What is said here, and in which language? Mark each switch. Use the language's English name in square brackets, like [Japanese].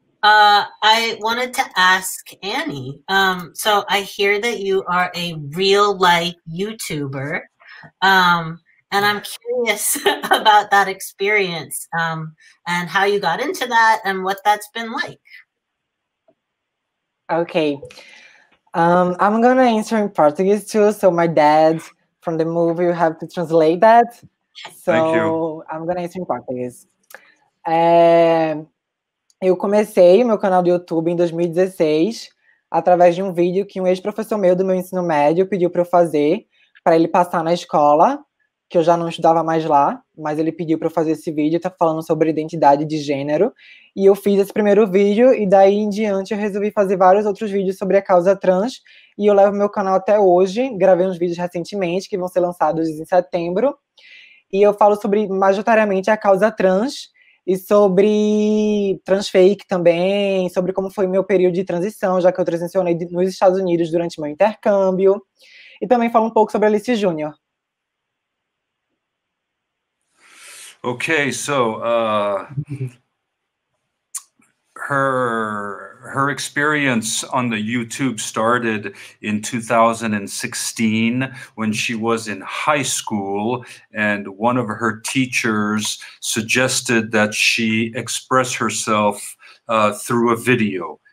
[English] I wanted to ask Annie, so I hear that you are a real life YouTuber, and I'm curious about that experience, and how you got into that and what that's been like. Okay. I'm going to answer in Portuguese too, so my dad from the movie will have to translate that. So thank you. I'm going to answer in Portuguese. [Portuguese] Eu comecei meu canal do YouTube em 2016 através de um vídeo que um ex-professor meu do meu ensino médio pediu para eu fazer, para ele passar na escola, que eu já não estudava mais lá, mas ele pediu para eu fazer esse vídeo, tá falando sobre identidade de gênero, e eu fiz esse primeiro vídeo, e daí em diante eu resolvi fazer vários outros vídeos sobre a causa trans, e eu levo meu canal até hoje, gravei uns vídeos recentemente, que vão ser lançados em setembro, e eu falo sobre, majoritariamente, a causa trans, e sobre transfake também, sobre como foi meu período de transição, já que eu transicionei nos Estados Unidos durante meu intercâmbio. E também falo um pouco sobre Alice Jr. [English] Okay, so her experience on the YouTube started in 2016 when she was in high school, and one of her teachers suggested that she express herself through a video.